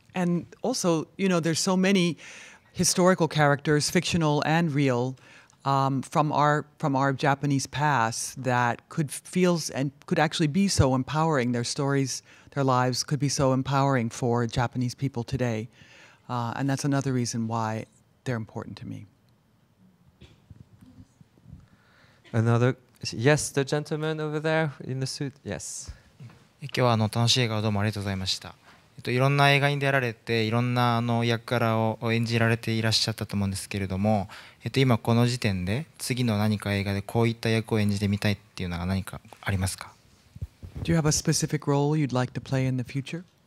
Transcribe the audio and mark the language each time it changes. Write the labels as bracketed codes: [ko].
[en] And also, you know, there's so many historical characters, fictional and real, from our Japanese past that could feel and could actually be so empowering. Their storiesTheir lives could be so empowering for Japanese people today. And that's another reason why they're important to me. Yes, the gentleman over there in the suit. Yes. [ja] 今日は楽しい映画をどうもありがとうございました。いろんな映画に出られていろんなあの役柄を演じられていらっしゃったと思うんですけれども、今この時点で次の何か映画でこういった役を演じてみたいっていうのが何かありますか? [en] Do you have a specific role you'd like to play in the future?